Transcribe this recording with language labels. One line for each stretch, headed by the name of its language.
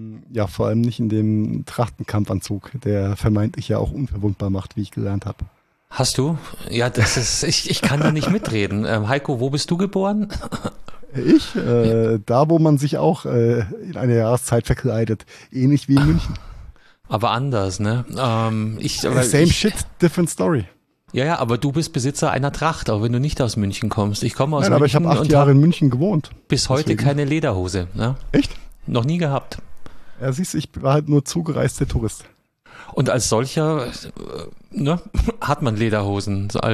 German: Ja, vor allem nicht in dem Trachtenkampfanzug, der vermeintlich ja auch unverwundbar macht, wie ich gelernt habe. Hast du? Ja, das ist, ich kann da nicht mitreden. Heiko, wo bist du geboren? Ich? Da, wo man sich auch in einer Jahreszeit verkleidet, ähnlich wie in München. Aber anders, ne?
English: Same shit, different story.
German: Ja, ja, aber du bist Besitzer einer Tracht, auch wenn du nicht aus München kommst. Ich komme aus München. Aber ich habe 8 Jahre in München gewohnt. Bis heute deswegen. Keine Lederhose. Ne? Echt? Noch nie gehabt. Ja, siehst du, ich war halt nur zugereister Tourist. Und als solcher ne, hat man Lederhosen.